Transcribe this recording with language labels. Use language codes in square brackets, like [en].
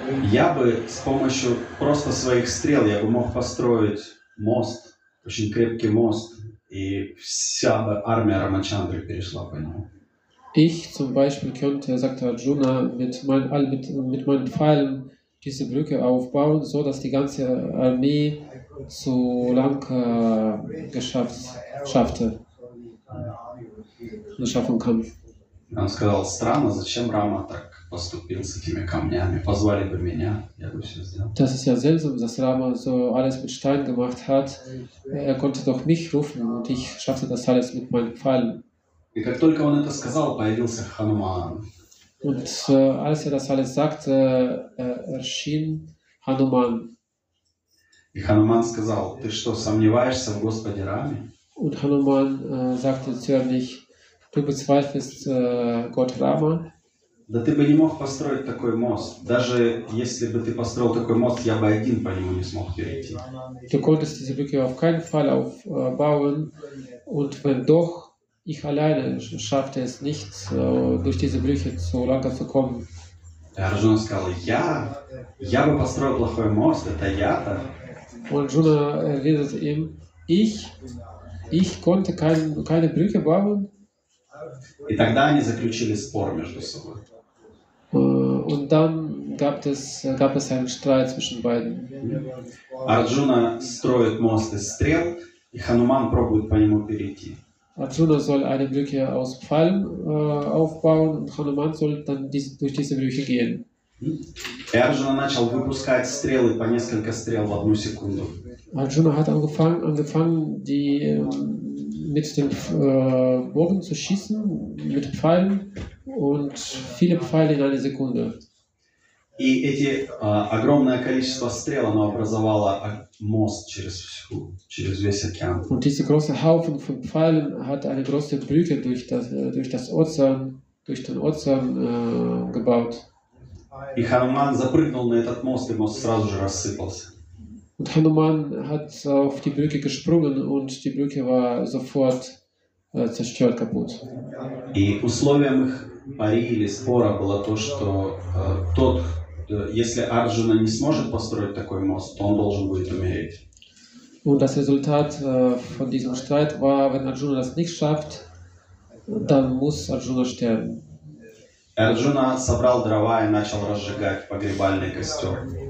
[ru] Я бы с помощью просто своих стрел я бы мог построить мост, очень крепкий мост, и вся бы армия Рамачандры перешла по нему. [de] Ich zum Beispiel könnte, sagte Arjuna, mit meinen Pfeilen diese Brücke aufbauen, so dass die ganze Armee zu Lanka schaffen kann. [ru] Он сказал, странно, зачем Рама так поступил с этими камнями? Позвали бы меня, я бы все сделал. [de] Das ist ja seltsam, dass Rama so alles mit Stein gemacht hat. Er konnte doch mich rufen und ich schaffte das alles mit meinen Pfeilen. [ru] И как только он это сказал, появился Хануман. [de] Und als er das alles sagte, erschien Hanuman. [ru] И Хануман сказал, ты что, сомневаешься в Господе Раме? [de] Und Hanuman sagte zornig, du bezweifelst Gott Rama? [ru] Да ты бы не мог построить такой мост. Даже если бы ты построил такой мост, я бы один по нему не смог перейти. [de] Du konntest diese Brücke auf keinen Fall aufbauen und wenn doch, ich alleine schaffte es nicht, durch diese Brüche zu Lanka zu kommen. [ru] Arjuna сказал, я бы построил плохой мост, это я-то. [de] Und Arjuna erwiderte ihm, ich konnte keine Brücke bauen. [ru] И тогда они заключили спор между собой. [de] Und dann gab es einen Streit zwischen beiden. [ru] Arjuna строит мост из стрел, и Хануман пробует по нему перейти. [de] Arjuna soll eine Brücke aus Pfeilen aufbauen und Hanuman soll dann durch diese Brücke gehen. [ru] Arjuna начал выпускать стрелы по несколько стрел в одну секунду. [de] Arjuna hat angefangen die mit dem Bogen zu schießen mit Pfeilen und viele Pfeile in einer Sekunde. [ru] И эти огромное количество стрел оно образовало мост через весь океан. [de] Und diese große Haufen von Pfeilen hat eine große Brücke durch den Ozean gebaut. [ru] И Хануман запрыгнул на этот мост, и мост сразу же рассыпался. [de] Und Hanuman hat auf die Brücke gesprungen und die Brücke war sofort zerstört, kaputt. [ru] И условием их пари или спора было то, что тот, если Арджуна не сможет построить такой мост, то он должен будет умереть. [de] Und das Resultat von diesem Streit war, wenn Arjuna das nicht schafft, dann muss Arjuna sterben. [ru] Арджуна собрал дрова и начал разжигать погребальный костер.